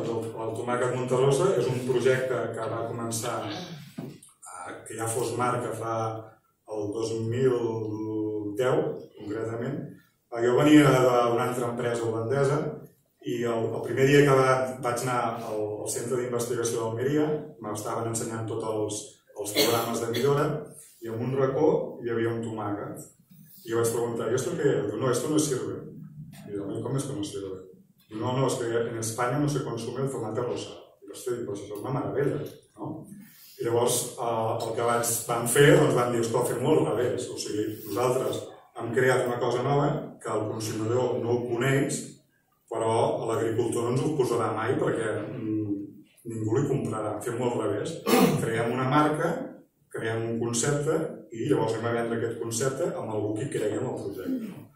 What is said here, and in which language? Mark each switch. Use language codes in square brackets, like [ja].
[ca] Doncs el tomàquet Montarrosa és un projecte que va començar que ja fos marca fa el 2010, concretament. Jo venia d'una altra empresa holandesa i el primer dia que vaig anar al centre d'investigació d'Almeria, m'estaven ensenyant tots els programes de millora, i en un racó hi havia un tomàquet. [es] Y yo vas a preguntar, ¿y esto qué? No, esto no sirve. Y yo, ¿cómo es que no sirve? No, no, es que en España no se consume el tomate rosa. Y yo, pues eso es una maravilla, ¿no? [ca] Y llavors, el que van fer, doncs van dir, [es] esto hace [ca] molt, a ver, o sigui, nosaltres hem creat una cosa nova que el consumidor no ho coneix, però l'agricultor no ens ho posarà mai perquè ningú li comprarà. Fem molt al revés. Creem una marca, creem un concepte i llavors hem de vendre aquest concepte amb algú que cregui en el projecte.